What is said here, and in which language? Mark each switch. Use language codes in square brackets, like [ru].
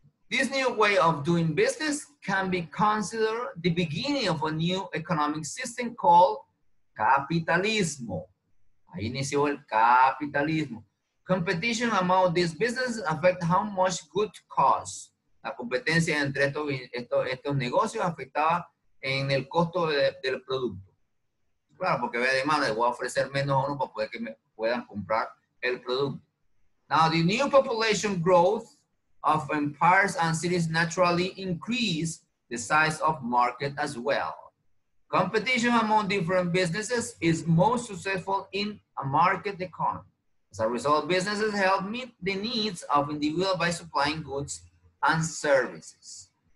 [en] This new way of doing business can be considered the beginning of a new economic system called capitalismo. [es] Ahí inició el capitalismo. [en] Competition among these businesses affect how much good cost. [es] La competencia entre estos negocios afectaba en el costo del producto. Claro, porque había demanda, voy a ofrecer menos a uno para poder que me puedan comprar el producto. [en] Now, the new population growth of empires and cities naturally increase the size of market as well. Competition among different businesses is most successful in a market economy. As a result, businesses help meet the needs of individuals by supplying goods and services.